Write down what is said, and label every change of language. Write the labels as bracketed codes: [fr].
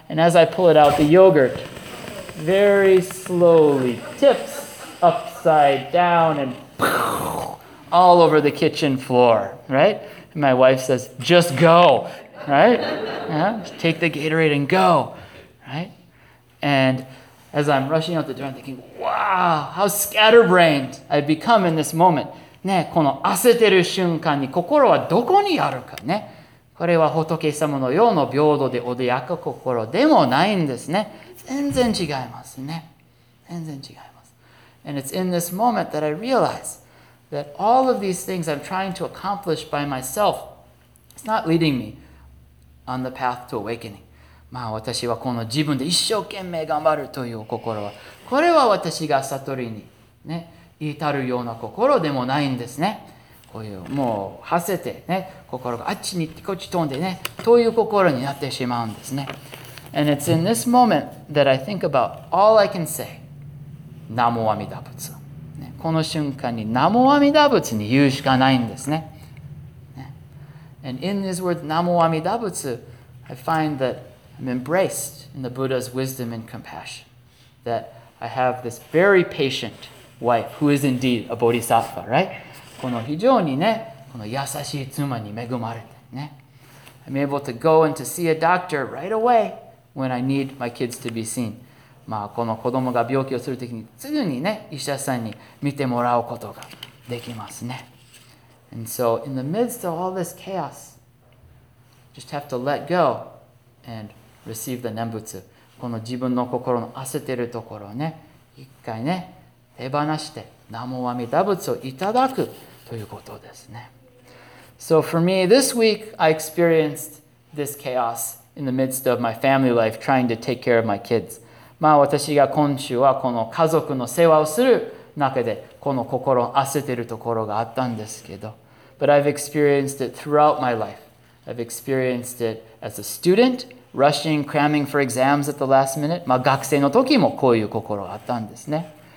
[en] And as I pull it out, the yogurt very slowly tips upside down and all over the kitchen floor, right? And my wife says, just go, right? Yeah, just take the Gatorade and go, right? And as I'm rushing out the door, I'm thinking, wow, how scatterbrained I've become in this moment. [ja] ね、この焦ってる瞬間に心はどこにあるかね。これは仏様のような平等で穏やか心でもないんですね。全然違いますね。全然違います。 [en] And it's in this moment that I realize that all of these things I'm trying to accomplish by myself, it's not leading me on the path to awakening. [ja] まあ私はこの自分で一生懸命頑張るという心は、これは私が悟りにね、至るような心でもないんですね。こういうもう馳せてね、心があっちにこっち飛んでね、という心になってしまうんですね。 [en] And it's in this moment that I think about all I can say, 南無阿弥陀仏、ね。 [ja] この瞬間に南無阿弥陀仏に言うしかないんですね。 [en] ね And in this word 南無阿弥陀仏, I find thatI'm embraced in the Buddha's wisdom and compassion that I have this very patient wife who is indeed a bodhisattva, right? [ja] この非常にね、この優しい妻に恵まれてね。 [en] I'm able to go and to see a doctor right away when I need my kids to be seen. [ja] まあこの子供が病気をするときにすぐにね、医者さんに見てもらうことができますね。 [en] And so in the midst of all this chaos, just have to let go and receive the 念仏。 [ja] この自分の心の焦ってるところをね、一回ね、手放して、南無阿弥陀仏をいただくということですね。 [en] So for me, this week, I experienced this chaos in the midst of my family life, trying to take care of my kids. [ja] まあ私が今週はこの家族の世話をする中で、この心を焦ってるところがあったんですけど。 [en] But I've experienced it throughout my life. I've experienced it as a student,rushing, cramming for exams at the last minute. [ja] まあ学生の時もこういう心があったんですね。